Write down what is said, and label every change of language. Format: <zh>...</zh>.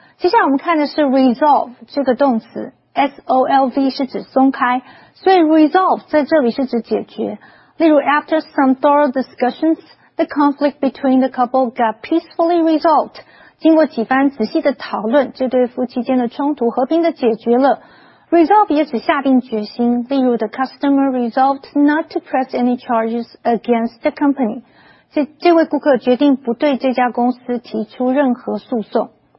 <zh>接下来我们看的是 resolve 这个动词 ，solve 是指松开，所以 resolve 在这里是指解决。</zh> <en>例如 ，After some thorough discussions， the conflict between the couple got peacefully resolved。</en> <zh>经过几番仔细的讨论，这对夫妻间的冲突和平的解决了。</zh> <en>Resolve</en> <zh>也指下定决心，例如</zh> <en>The customer resolved not to press any charges against the company.</en> <zh>这位顾客决定不对这家公司提出任何诉讼。</zh>